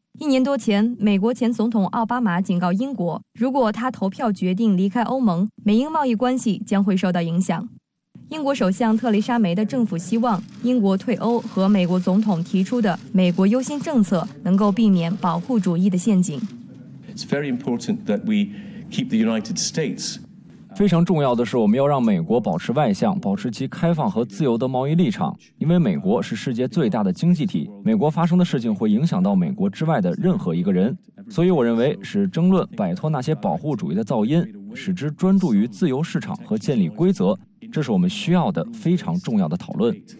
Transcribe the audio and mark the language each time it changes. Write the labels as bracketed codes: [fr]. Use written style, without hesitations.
[zh] 一年多前，美国前总统奥巴马警告英国，如果他投票决定离开欧盟，美英贸易关系将会受到影响。英国首相特蕾莎梅的政府希望英国退欧和美国总统提出的美国优先政策能够避免保护主义的陷阱。 [en] It's very important that we keep the United States. [zh] 非常重要的是，我们要让美国保持外向，保持其开放和自由的贸易立场，因为美国是世界最大的经济体，美国发生的事情会影响到美国之外的任何一个人。所以我认为是争论摆脱那些保护主义的噪音，使之专注于自由市场和建立规则，这是我们需要的非常重要的讨论。